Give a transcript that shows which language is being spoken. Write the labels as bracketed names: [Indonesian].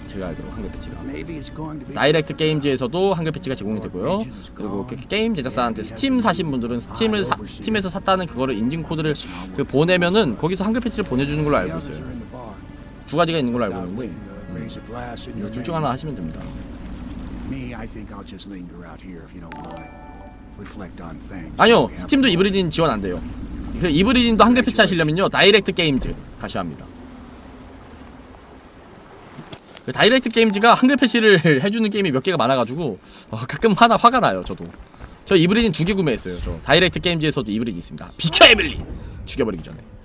[Korean] 제가 알기로 한글 패치가 다이렉트 게임즈에서도 한글 패치가 제공이 되고요. 그리고 그 게임 제작사한테 스팀 사신 분들은 스팀에서 샀다는 그거를 인증 코드를 그 보내면은 거기서 한글 패치를 보내주는 걸로 알고 있어요. 두 가지가 있는 걸로 알고 있는데 이거 둘 중 하나 하시면 됩니다. [English] Me, I think I'll just linger out here if you don't mind. Reflect on things. [Korean] 아니요, 스팀도 이브리딘 지원 안 돼요. 그 이브리딘도 한글 패치 하시려면요, 다이렉트 게임즈 가셔야 합니다. 그 다이렉트 게임즈가 한글 패치를 해주는 게임이 몇 개가 많아가지고 가끔 하나 화가 나요, 저도. 저 이브리딘 두 개 구매했어요. 저 다이렉트 게임즈에서도 이브리딘 있습니다. 비켜 에밀리 죽여버리기 전에.